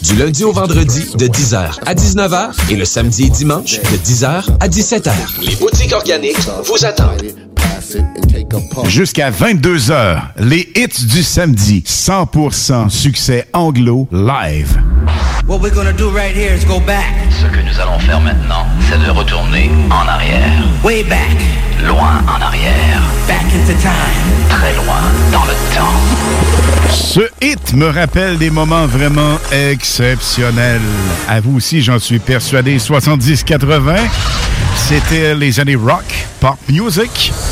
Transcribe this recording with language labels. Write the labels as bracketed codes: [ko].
[fr] Du lundi au vendredi, de 10h à 19h et le samedi et dimanche, de 10h à 17h. Les boutiques organiques vous attendent. Jusqu'à 22h, les hits du samedi, 100% succès anglo live. [en] What we're gonna do right here is go back. [fr] Ce que nous allons faire maintenant, c'est de retourner en arrière. [en] Way back. [fr] Loin en arrière. [en] Back into time. [fr] Très loin dans le temps. Ce hit me rappelle des moments vraiment exceptionnels. À vous aussi, j'en suis persuadé. 70-80, c'était les années rock, pop music.